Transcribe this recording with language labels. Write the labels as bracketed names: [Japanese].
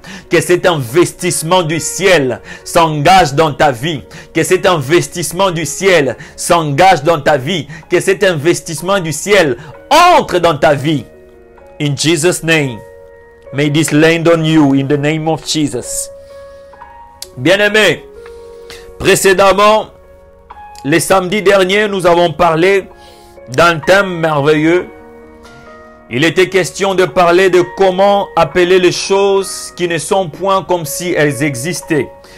[French] Que cet investissement du ciel s'engage dans ta vie. Que cet investissement du ciel s'engage dans ta vie. Que cet investissement du ciel entre dans ta vie. [English] In Jesus' name, may this land on you in the name of Jesus. [French] Bien-aimé, précédemment, le samedi dernier, nous avons parlé d'un thème merveilleux. Il était question de parler de comment appeler les choses qui ne sont point comme si elles existaient.